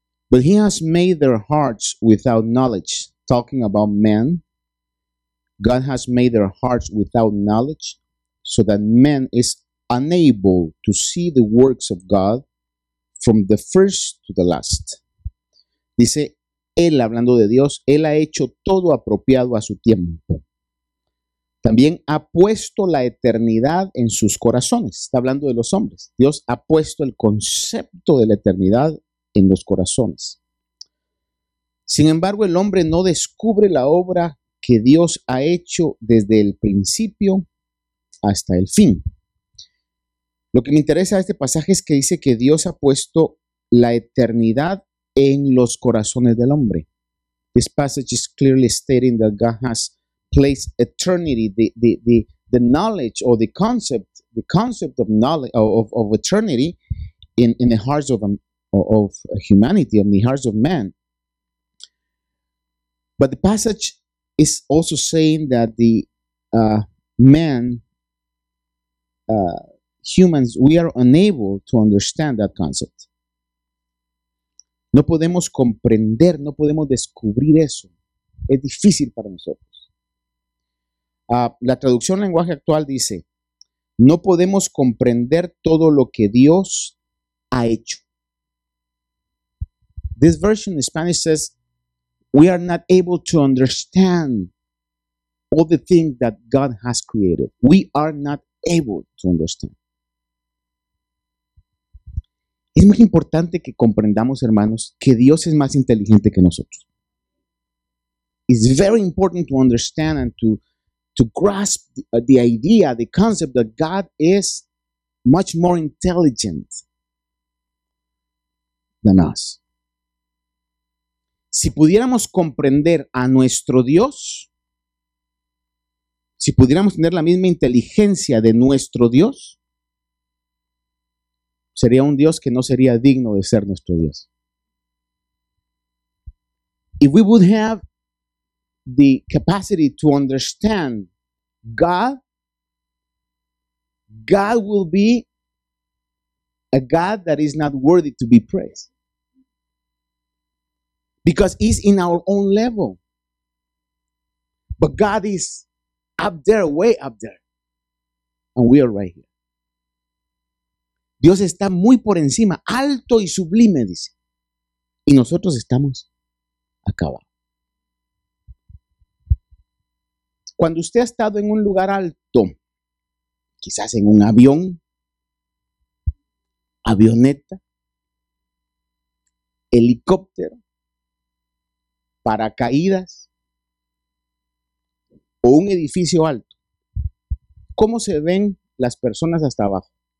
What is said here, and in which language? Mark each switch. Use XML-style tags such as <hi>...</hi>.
<en>But he has made their hearts without knowledge. Talking about men, God has made their hearts without knowledge, so that man is unable to see the works of God from the first to the last.</en> <es>Dice, él hablando de Dios, él ha hecho todo apropiado a su tiempo. También ha puesto la eternidad en sus corazones. Está hablando de los hombres. Dios ha puesto el concepto de la eternidad en los corazones. Sin embargo, el hombre no descubre la obra que Dios ha hecho desde el principio hasta el fin. Lo que me interesa de este pasaje es que dice que Dios ha puesto la eternidad en los corazones del hombre.</es> <en>This passage is clearly stating that God has placed eternity, the knowledge or the concept of knowledge of eternity in the hearts of humanity, in the hearts of man. But the passage is also saying that the humans, we are unable to understand that concept.</en> <es>No podemos comprender, no podemos descubrir eso. Es difícil para nosotros. La traducción lenguaje actual dice, no podemos comprender todo lo que Dios ha hecho.</es> <en>This version in Spanish says, we are not able to understand all the things that God has created. We are not able to understand.</en> <es>Es muy importante que comprendamos, hermanos, que Dios es más inteligente que nosotros.</es> <en>It's very important to understand and to grasp the idea, the concept that God is much more intelligent than us.</en> <es>Si pudiéramos comprender a nuestro Dios, si pudiéramos tener la misma inteligencia de nuestro Dios, sería un Dios que no sería digno de ser nuestro Dios.</es> <en>If we would have the capacity to understand God, God will be a God that is not worthy to be praised. Because he's in our own level. But God is up there, way up there. And we are right here.</en> <es>Dios está muy por encima, alto y sublime, dice. Y nosotros estamos acabados. Cuando usted ha estado en un lugar alto, quizás en un avión, avioneta, helicóptero, paracaídas, o un edificio alto, ¿cómo se ven las personas hasta abajo?</es>